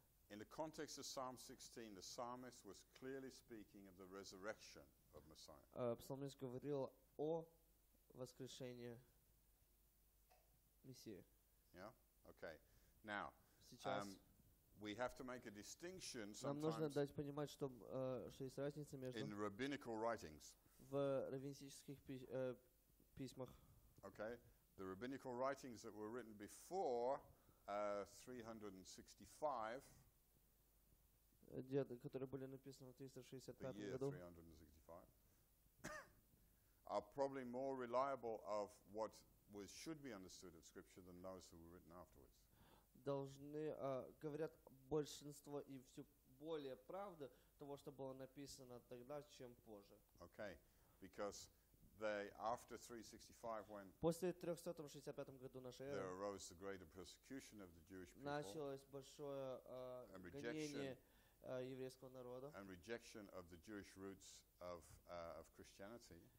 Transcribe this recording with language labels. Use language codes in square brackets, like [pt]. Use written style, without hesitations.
[en] In the context of Psalm 16, the psalmist was clearly speaking of the resurrection of Messiah. [ru] Псалмист говорил о воскрешении Мессии. [en] Yeah. Okay. Now, we have to make a distinction. [ru] Нам нужно дать понимать, что что есть разница между [en] in rabbinical writings. [ru] В раввинических письмах. [en] Okay. The rabbinical writings that were written before 365. [ru] Которые были написаны в 365 году. [en] 365. are probably more reliable of what was should be understood of Scripture than those who were written afterwards. [ru] Должны говорят большинство и все более правды того, что было написано тогда, чем позже. [en] Okay, because they after 365 when [ru] после 365 году нашей эры [en] there arose the greater persecution of the Jewish people. [ru] Началось большое гонение еврейского народа. [en] And rejection of the Jewish roots of Christianity.